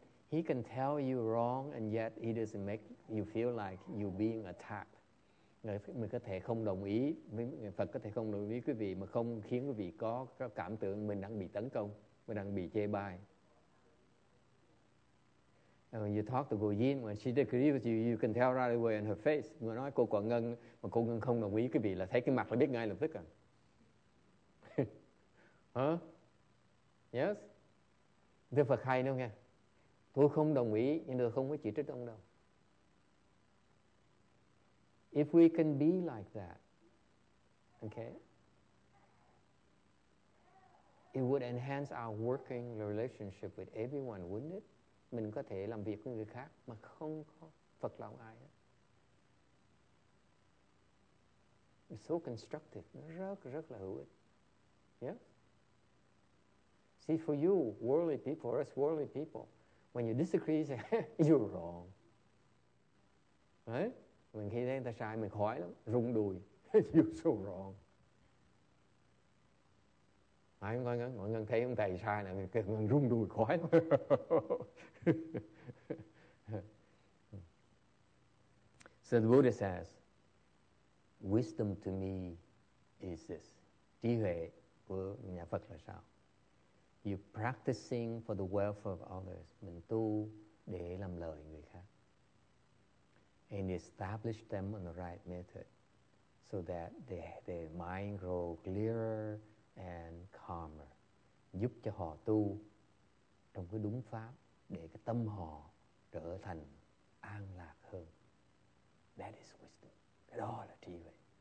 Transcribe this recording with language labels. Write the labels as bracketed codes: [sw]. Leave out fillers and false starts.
[en] He can tell you wrong and yet he doesn't make you feel like you being attacked. [vi] Người mình có thể không đồng ý với Phật, có thể không đồng ý quý vị mà không khiến quý vị có cảm tưởng mình đang bị tấn công, mình đang bị chê bai. [en] And when you talk to Cô Yin, when she disagrees with you, you can tell right away in her face. [vi] Mà nói cô Quảng Ngân, mà cô Ngân không đồng ý cái vị là thấy cái mặt là biết ngay lập tức à. Huh? Yes? Đức Phật hay đâu nghe. Tôi không đồng ý, nhưng tôi không có chỉ trích ông đâu. [en] If we can be like that, okay, it would enhance our working relationship with everyone, wouldn't it? [vi] Mình có thể làm việc với người khác mà không có Phật lòng ai hết. [en] It's so constructive. [vi] Nó rất, rất là hữu ích. Yeah? [en] See, for you, worldly people, for us worldly people, when you disagree, you say, you're wrong. Right? [vi] Mình khi thấy người ta sai, mình khói lắm, rung đùi. [en] You're so wrong. [vi] Ai cũng ngon, mọi người thấy ông thầy sai là mình rung đùi khói lắm. [en] So the Buddha says, wisdom to me is this. [vi] Trí huệ với nhà Phật là sao? [en] You practicing for the welfare of others. [vi] Mình tu để làm lợi người khác. [en] And establish them on the right method so that their mind grow clearer and calmer. [vi] Giúp cho họ tu trong cái đúng pháp để cái tâm họ trở thành an lạc hơn. [en] That is wisdom. [vi] Cái đó là trí huệ.